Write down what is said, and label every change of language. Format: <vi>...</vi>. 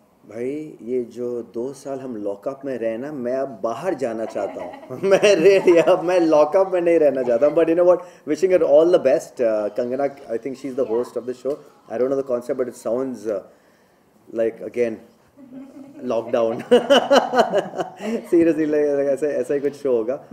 <hi>भाई ये जो दो साल हम लॉकअप में रहे ना, मैं अब बाहर जाना चाहता हूँ. मैं रेडी, अब मैं लॉकअप में नहीं रहना चाहता.</hi> <en>But you know what, wishing her all the best Kangana. I think she is the host of the show. I don't know the concept, but it sounds like again lockdown.</en> <hi>Seriously, like ऐसा ऐसा ही कुछ show होगा.</hi>